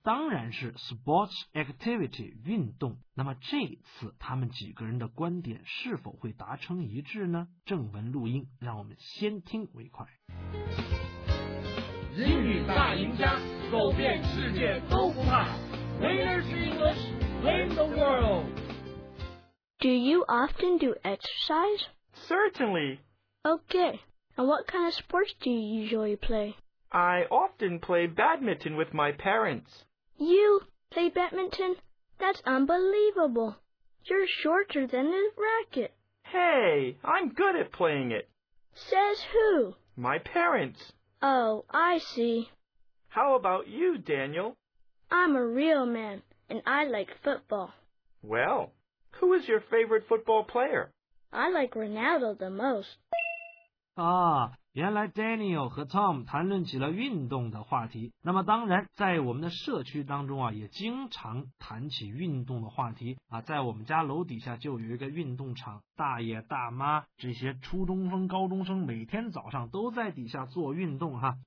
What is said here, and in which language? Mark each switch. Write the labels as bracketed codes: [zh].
[zh] 当然是 [en] sports activity, [zh] 运动。那么这次他们几个人的观点是否会达成一致呢？正文录音让我们先听为快。英语大赢家，走遍世界都不怕。 [en] Winners English, win the world. Do you often do exercise? Certainly. Okay, and what kind of sports do you usually play? I often play badminton with my parents. You play badminton? That's unbelievable. You're shorter than the racket. Hey, I'm good at playing it. Says who? My parents. Oh, I see. How about you, Daniel? I'm a real man, and I like football. Well, who is your favorite football player? I like Ronaldo the most. [zh] 啊，原来 Daniel 和 Tom 谈论起了运动的话题。那么当然在我们的社区当中啊也经常谈起运动的话题啊，在我们家楼底下就有一个运动场，大爷大妈这些初中生高中生每天早上都在底下做运动哈。